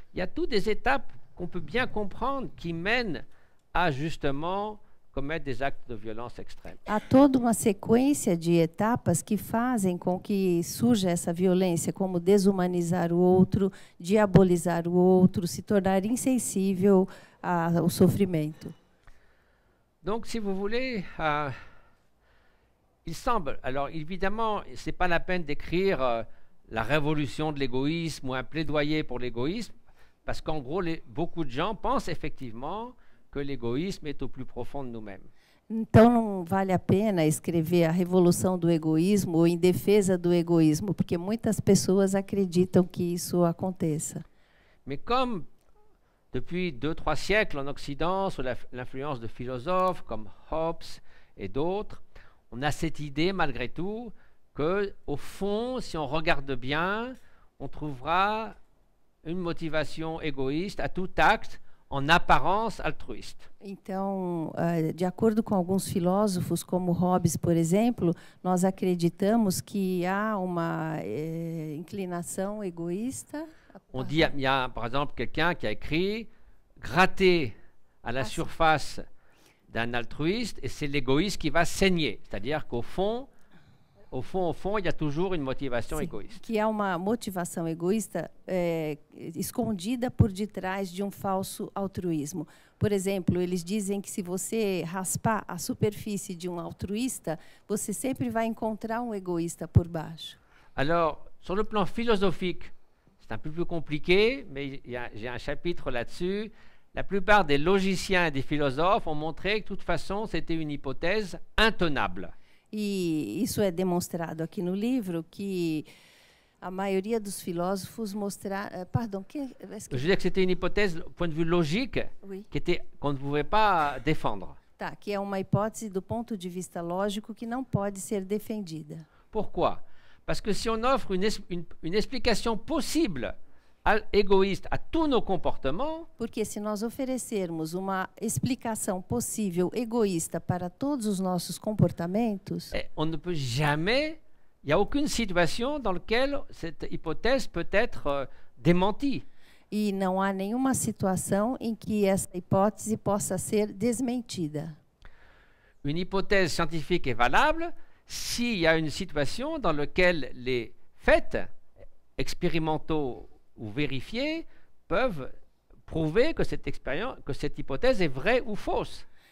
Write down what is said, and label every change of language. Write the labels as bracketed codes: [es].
[fr] Il y a toutes des étapes qu'on peut bien comprendre qui mènent a justement commettre des actes de violence extrême. [pt] Há toda uma sequência de etapas que fazem com que surja essa violência, como desumanizar o outro, diabolizar o outro, se tornar insensível ao sofrimento. [fr] Donc si vous voulez il semble, alors évidemment, c'est pas la peine d'écrire la révolution de l'égoïsme ou un plaidoyer pour l'égoïsme parce qu'en gros beaucoup de gens pensent effectivement que l'égoïsme est au plus profond de nous-mêmes. [pt] Então não vale a pena escrever a revolução do egoísmo ou em defesa do egoísmo, porque muitas pessoas acreditam que isso aconteça. [fr] Mais comme depuis 2-3 siècles en Occident, sous l'influence de philosophes comme Hobbes et d'autres, on a cette idée malgré tout que au fond, si on regarde bien, on trouvera une motivation égoïste à tout acte en apparence altruiste. [pt] Então, de acordo com alguns filósofos, como Hobbes, por exemplo, nós acreditamos que há uma inclinação egoísta. [fr] On dit, il y a, par exemple, quelqu'un qui a écrit « gratter à la surface d'un altruiste et c'est l'égoïste qui va saigner », c'est-à-dire qu'au fond, au fond, il y a toujours une motivation égoïste. [pt] Que há uma motivação egoísta escondida por detrás de um falso altruísmo. Por exemplo, eles dizem que se você raspar a superfície de um altruísta, você sempre vai encontrar um egoísta por baixo. [fr] Alors, sur le plan philosophique, c'est un peu plus compliqué, mais j'ai un chapitre là-dessus. La plupart des logiciens et des philosophes ont montré que de toute façon, c'était une hypothèse intenable. [pt] E isso é demonstrado aqui no livro, que a maioria dos filósofos [fr] Je veux dire que c'était une hypothèse, point de vue logique, oui. Qu'on ne pouvait pas défendre. [pt] Tá, que é uma hipótese do ponto de vista lógico que não pode ser defendida. [fr] Pourquoi? Parce que si on offre une explication possible égoïste à tous nos comportements, [pt] porque se nós oferecermos uma explicação possível egoísta para todos os nossos comportamentos, [fr] on ne peut jamais, il y a aucune situation dans laquelle cette hypothèse peut être démentie. [pt] E não há nenhuma situação em que essa hipótese possa ser desmentida. [fr] Une hypothèse scientifique est valable s'il y a une situation dans laquelle les faits expérimentaux ou vérifiés peuvent prouver que cette expérience, que cette hypothèse est vraie ou fausse.